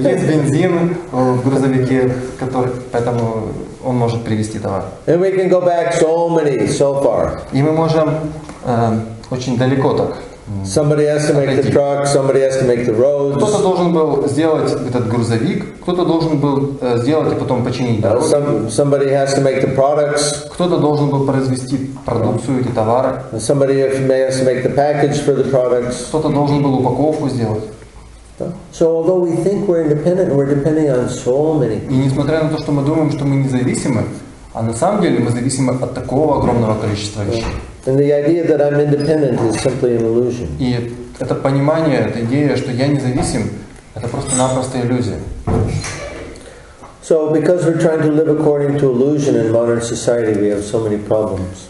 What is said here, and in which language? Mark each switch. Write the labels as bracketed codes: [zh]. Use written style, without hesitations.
[ru] Есть бензин в грузовике, который, поэтому он может привезти товар. [en] And we can go back so many, so far. [ru] И мы можем очень далеко так. [en] Somebody has to make the truck, somebody has to make the roads. [ru] Кто-то должен был сделать этот грузовик, кто-то должен был сделать и потом починить дорогу. [en] Somebody has to make the products. [ru] Кто-то должен был произвести продукцию, эти товары. [en] Somebody has to make the package for the products. [ru] Кто-то должен был упаковку сделать. [en] So although we think we're independent, we're depending on so many. [ru] И несмотря на то, что мы думаем, что мы независимы, а на самом деле мы зависимы от такого огромного количества вещей. [en] And the idea that I'm independent is simply an illusion. [ru] И это понимание, эта идея, что я независим, это просто-напросто иллюзия. [en] So because we're trying to live according to illusion in modern society, we have so many problems.